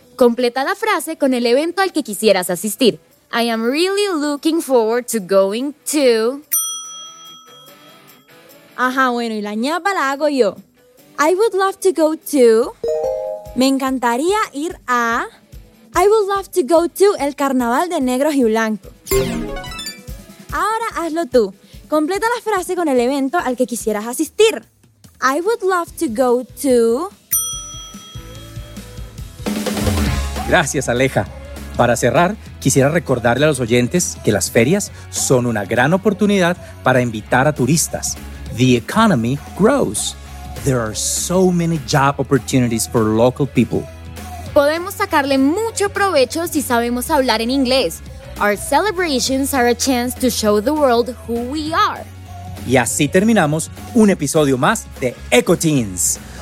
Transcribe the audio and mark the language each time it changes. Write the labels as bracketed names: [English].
[Spanish] Completa la frase con el evento al que quisieras asistir. [English] I am really looking forward to going to... [Spanish] Ajá, bueno, y la ñapa la hago yo. [English] I would love to go to... [Spanish] Me encantaría ir a... [English] I would love to go to [Spanish] el carnaval de negros y blancos. Ahora hazlo tú. Completa la frase con el evento al que quisieras asistir. [English] I would love to go to... [Spanish] Gracias, Aleja. Para cerrar, quisiera recordarle a los oyentes que las ferias son una gran oportunidad para invitar a turistas. [English] The economy grows. There are so many job opportunities for local people. [Spanish] Podemos sacarle mucho provecho si sabemos hablar en inglés. [English] Our celebrations are a chance to show the world who we are. [Spanish] Y así terminamos un episodio más de Eco Teens.